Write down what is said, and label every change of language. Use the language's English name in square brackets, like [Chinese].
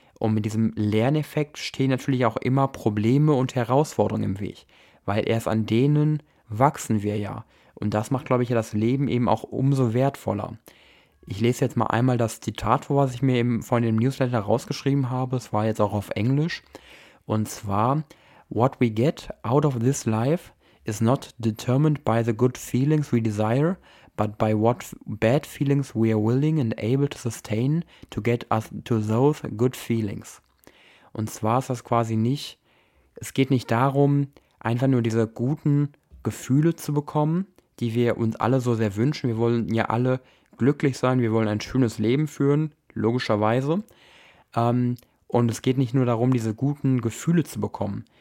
[German] Und mit diesem Lerneffekt stehen natürlich auch immer Probleme und Herausforderungen im Weg, weil erst an denen wachsen wir ja. Und das macht, glaube ich, ja das Leben eben auch umso wertvoller. Ich lese jetzt mal einmal das Zitat vor, was ich mir eben von dem Newsletter rausgeschrieben habe. Es war jetzt auch auf Englisch. Und zwar, [English] what we get out of this life is not determined by the good feelings we desire, but by what bad feelings we are willing and able to sustain to get us to those good feelings. [German] Und zwar ist das quasi nicht, es geht nicht darum, einfach nur diese guten Gefühle zu bekommen, die wir uns alle so sehr wünschen. Wir wollen ja alle glücklich sein, wir wollen ein schönes Leben führen, logischerweise. Und es geht nicht nur darum, diese guten Gefühle zu bekommen.